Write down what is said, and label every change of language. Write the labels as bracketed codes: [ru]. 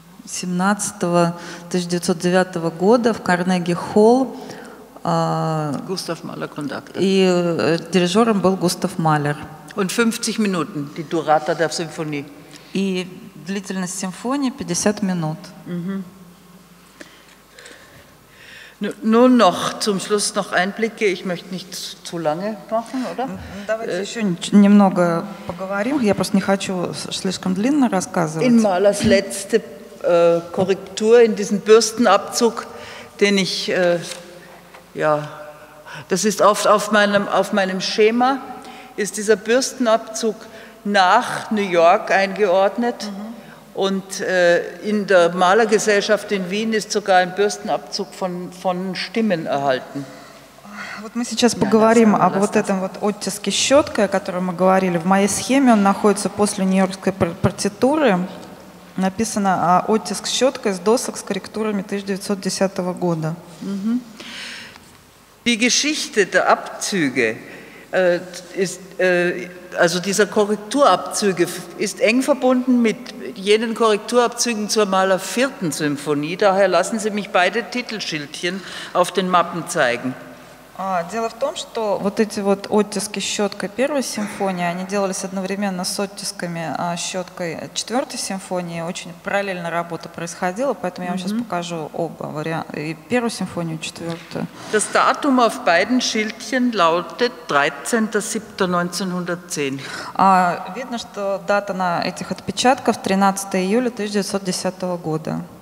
[ru] 17.1909 года в Карнеги-Холл. [en] Густав Малер Кондакт. [ru] И дирижером был Густав Малер. [de] Und 50 Minuten, die Durata der Symphonie. [ru] И длительность симфонии 50 минут. [de] Nur noch zum Schluss noch Einblicke. Ich möchte nicht zu lange machen, oder? [ru] Давайте еще немного поговорим. Я просто не хочу слишком длинно рассказывать. [de] In Malers letzte Korrektur in diesen Bürstenabzug, den ich ja, das ist oft auf meinem Schema ist dieser Bürstenabzug nach New York eingeordnet. Und in der Malergesellschaft in Wien ist sogar ein Bürstenabzug von Stimmen erhalten. [ru] Вот мы сейчас поговорим об вот этом вот оттиске щеткой, о котором мы говорили. В моей схеме он находится после нью-йоркской партитуры. Написано оттиск щеткой с досок с корректурами 1910 года. [de] Die Geschichte der Abzüge ist also dieser Korrekturabzüge ist eng verbunden mit jenen Korrekturabzügen zur Maler vierten Symphonie. Daher lassen Sie mich beide Titelschildchen auf den Mappen zeigen. [ru] Дело в том, что вот эти вот оттиски щеткой первой симфонии, они делались одновременно с оттисками щеткой четвертой симфонии. Очень параллельно работа происходила, поэтому я вам сейчас покажу оба варианта, и первую симфонию, и четвертую. [de] Das Datum auf beiden Schildchen lautet 13.07.1910. [ru] Видно, что дата на этих отпечатках 13 июля 1910 года.